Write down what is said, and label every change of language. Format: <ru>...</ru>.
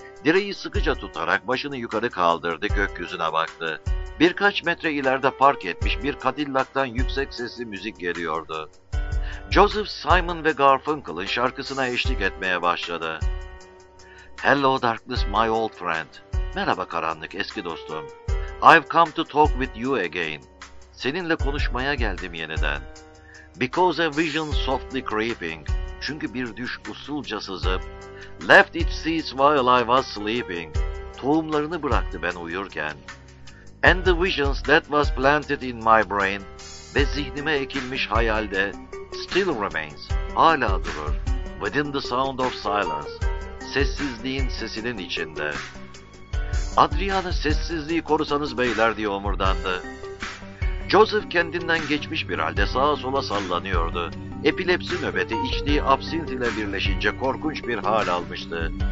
<tr>Direği sıkıca tutarak başını yukarı kaldırdı, gökyüzüne baktı. Birkaç metre ileride park etmiş bir Cadillac'tan yüksek sesli müzik geliyordu. Joseph, Simon ve Garfunkel'ın şarkısına eşlik etmeye başladı.</tr> <en>Hello darkness my old friend.</en> <tr>Merhaba karanlık eski dostum.</tr> <en>I've come to talk with you again.</en> <tr>Seninle konuşmaya geldim yeniden.</tr> <en>Because a vision softly creeping.</en> <tr>Çünkü bir düş usulca sızıp.</tr> <en>Left its seeds while I was sleeping.</en> <tr>Tohumlarını bıraktı ben uyurken.</tr> <en>And the visions that was planted in my brain.</en> <tr>Ve zihnime ekilmiş hayalde.</tr> <en>Still remains.</en> <tr>Hala durur.</tr> <en>Within the sound of silence.</en> <tr>Sessizliğin sesinin içinde. Adriana, sessizliği korusanız beyler diye omurdandı. Joseph kendinden geçmiş bir halde sağa sola sallanıyordu. Epilepsi nöbeti içtiği absint ile birleşince korkunç bir hal almıştı.</tr>